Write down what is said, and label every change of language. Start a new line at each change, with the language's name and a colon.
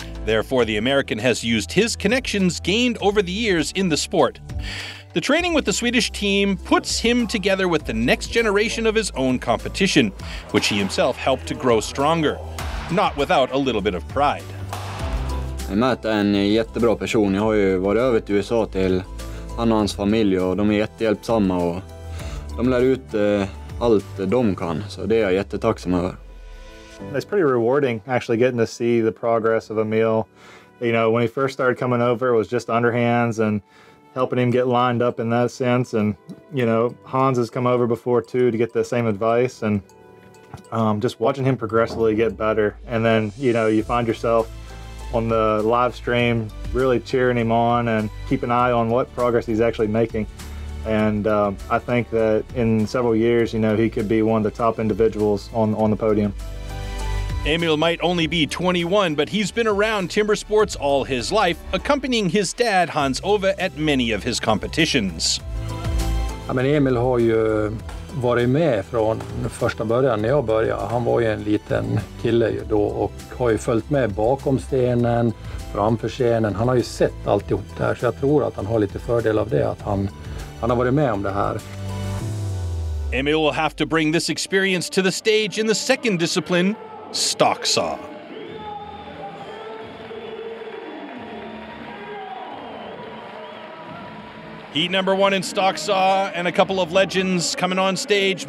English: Therefore, the American has used his connections gained over the years in the sport. The training with the Swedish team puts him together with the next generation of his own competition, which he himself helped to grow stronger, not without a little bit of pride.
Swedish: Matt är en jättebra person. Jag har ju varit över till USA till han och hans familj, och de är jättehjälpsamma och de lär ut allt de kan, så det är jag jättetacksam över.
English: It's pretty rewarding actually getting to see the progress of Emil. You know, when he first started coming over, it was just underhands and helping him get lined up in that sense. And, you know, Hans has come over before too to get the same advice, and just watching him progressively get better. And then, you know, you find yourself on the live stream really cheering him on and keep an eye on what progress he's actually making. And I think that in several years, you know, he could be one of the top individuals on the podium. Emil might only be 21, but he's been around timber sports all his life, accompanying his dad, Hans Ove, at many of his competitions. I mean,
Swedish: Emil har ju varit med från första början när jag började. Han var ju en liten kille ju då och har ju följt med bakom scenen, framför scenen. Han har ju sett alltihop det här, så jag tror att han har lite fördel av det, att han har varit med om det här.
English: Emil will have to bring this experience to the stage in the second discipline, stock saw. Heat number one in stock saw, and a couple of legends coming on stage.